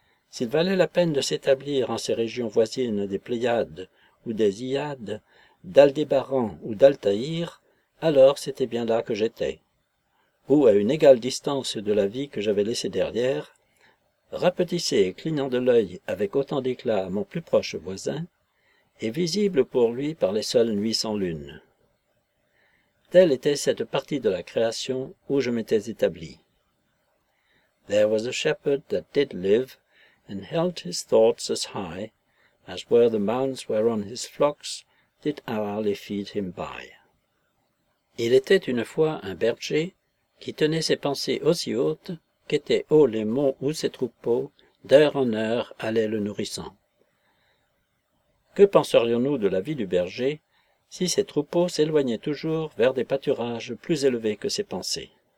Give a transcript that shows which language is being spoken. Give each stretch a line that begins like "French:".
French: S'il valait la peine de s'établir en ces régions voisines des Pléiades ou des Iades, d'Aldébaran ou d'Altaïr, alors c'était bien là que j'étais, ou à une égale distance de la vie que j'avais laissée derrière, rapetissé et clignant de l'œil avec autant d'éclat à mon plus proche voisin, et visible pour lui par les seules nuits sans lune. Telle était cette partie de la création où je m'étais établi.
English: There was a shepherd that did live, and held his thoughts as high, as were the mounds whereon his flocks did hourly feed him by.
French: Il était une fois un berger qui tenait ses pensées aussi hautes qu'étaient hauts les monts où ses troupeaux, d'heure en heure, allaient le nourrissant. Que penserions-nous de la vie du berger si ses troupeaux s'éloignaient toujours vers des pâturages plus élevés que ses pensées?